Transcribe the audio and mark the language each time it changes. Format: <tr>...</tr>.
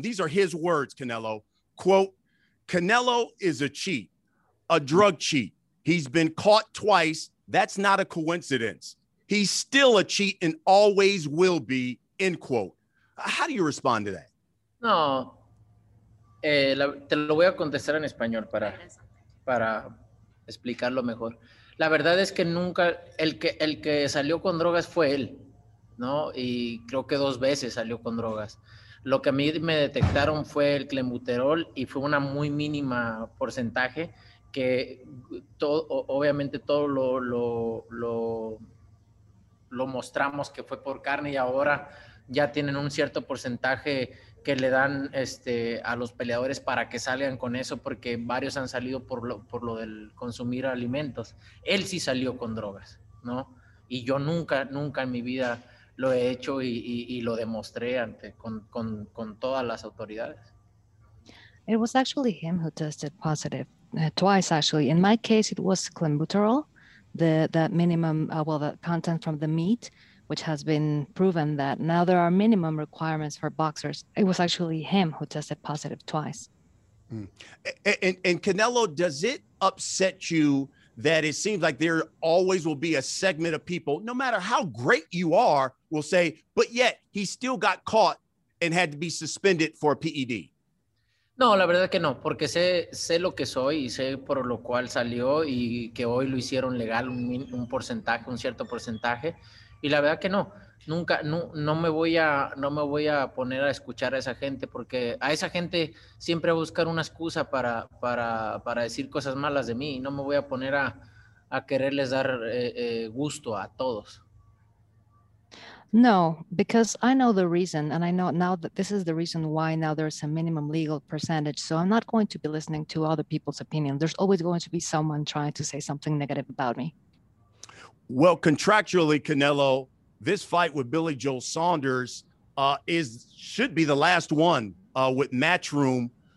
<en>These are his words, Canelo. Quote, "Canelo is a cheat, a drug cheat. He's been caught twice. That's not a coincidence. He's still a cheat and always will be," end quote. How do you respond to that?</en> <es>No. Te lo voy a contestar en español para explicarlo mejor. La verdad es que nunca, el que salió con drogas fue él, ¿no? Y creo que dos veces salió con drogas. Lo que a mí me detectaron fue el clenbuterol y fue una muy mínima porcentaje que todo, obviamente todo lo mostramos que fue por carne y ahora ya tienen un cierto porcentaje que le dan a los peleadores para que salgan con eso, porque varios han salido por lo del consumir alimentos. Él sí salió con drogas, ¿no? Y yo nunca en mi vida lo he hecho y lo demostré ante con todas las autoridades.</es> <en>It was actually him who tested positive twice, actually. In my case, it was clenbuterol, the minimum, the content from the meat, which has been proven that now there are minimum requirements for boxers. It was actually him who tested positive twice. Mm. And Canelo, does it upset you that it seems like there always will be a segment of people, no matter how great you are, will say, but yet he still got caught and had to be suspended for a PED?</en> <es>No, la verdad que no, porque sé lo que soy y sé por lo cual salió y que hoy lo hicieron legal un cierto porcentaje. Y la verdad que no, nunca, no me voy a poner a escuchar a esa gente, porque a esa gente siempre va a buscar una excusa para decir cosas malas de mí, y no me voy a poner a quererles dar gusto a todos.</es> <en>No, because I know the reason, and I know now that this is the reason why now there's a minimum legal percentage. So I'm not going to be listening to other people's opinion. There's always going to be someone trying to say something negative about me. Well, contractually, Canelo, this fight with Billy Joe Saunders should be the last one with Matchroom.</en>